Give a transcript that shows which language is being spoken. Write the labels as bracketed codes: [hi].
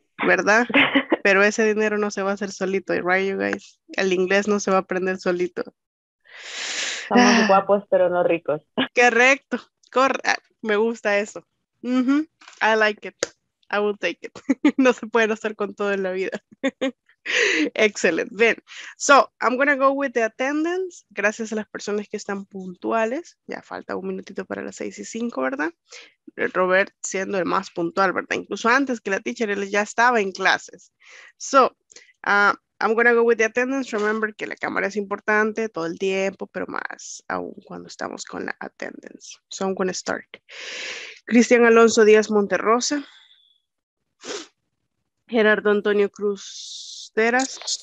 [es] ¿verdad? Pero ese dinero no se va a hacer solito, [en] right, you guys? [es] El inglés no se va a aprender solito. Somos guapos, pero no ricos. Correcto. Me gusta eso. [en] I like it. I will take it. [es] No se puede estar con todo en la vida. Excelente. Bien. [en] So, I'm going to go with the attendance. [es] Gracias a las personas que están puntuales. Ya falta un minutito para las 6:05, ¿verdad? Robert siendo el más puntual, ¿verdad? Incluso antes que la teacher, él ya estaba en clases. [en] So, I'm going to go with the attendance. [es] Remember que la cámara es importante todo el tiempo, pero más aún cuando estamos con la attendance. [en] So I'm going to start. Cristian Alonso Díaz Monterrosa. Gerardo Antonio Cruzeras.